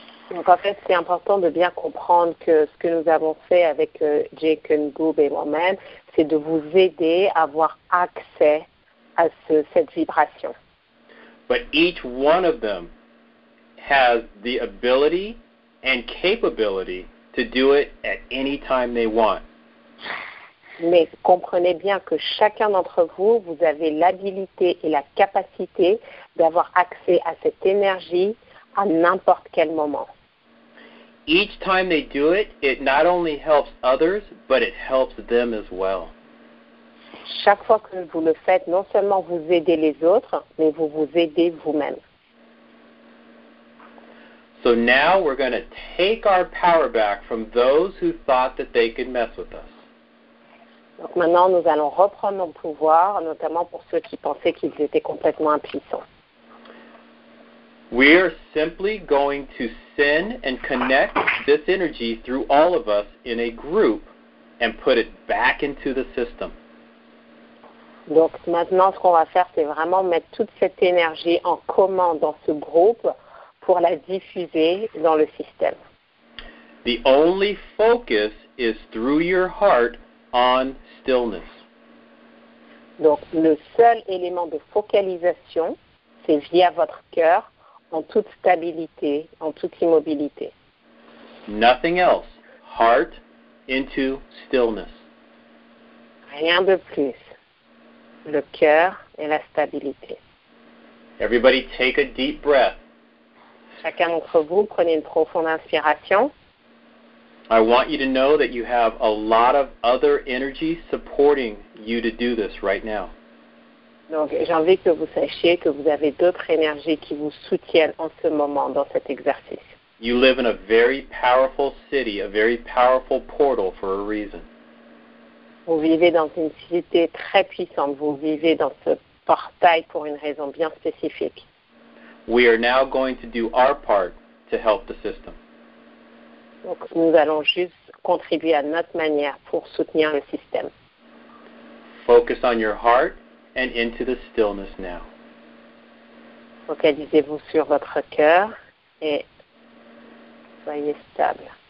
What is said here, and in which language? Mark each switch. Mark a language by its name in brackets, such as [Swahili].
[French] Donc en fait, c'est important de bien comprendre que ce que nous avons fait avec Jake and Goob et moi-même, c'est de vous aider à avoir accès à cette vibration. [English] But each one of them has the ability and capability to do it at any time they want. [French] Mais comprenez bien que chacun d'entre vous, vous avez l'habilité et la capacité d'avoir accès à cette énergie à n'importe quel moment. [English] Each time they do it, it not only helps others, but it helps them as well. [French] Chaque fois que vous le faites, non seulement vous aidez les autres, mais vous vous aidez vous-même. [English] So now we're going to take our power back from those who thought that they could mess with us. [French] Donc maintenant, nous allons reprendre nos pouvoirs, notamment pour ceux qui pensaient qu'ils étaient complètement impuissants. [English] We are simply going to send and connect this energy through all of us in a group and put it back into the system. [French] Donc maintenant, ce qu'on va faire, c'est vraiment mettre toute cette énergie en commun dans ce groupe pour la diffuser dans le système. [English] The only focus is through your heart on stillness. [French] Donc le seul élément de focalisation, c'est via votre cœur, en toute stabilité, en toute immobilité. [English] Nothing else. Heart into stillness. [French] Rien de plus. Le cœur et la stabilité. [English] Everybody take a deep breath. [French] Chacun d'entre vous, prenez une profonde inspiration. [English] I want you to know that you have a lot of other energy supporting you to do this right now. [French] Donc, j'ai envie que vous sachiez que vous avez d'autres énergies qui vous soutiennent en ce moment, dans cet exercice. [English] You live in a very powerful city, a very powerful portal for a reason. [French] Vous vivez dans une cité très puissante. Vous vivez dans ce portail pour une raison bien spécifique. [English] We are now going to do our part to help the system. [French] Donc, nous allons juste contribuer à notre manière pour soutenir le système. [English] Focus on your heart and into the stillness now. [French] Focalisez-vous sur votre cœur et soyez stable.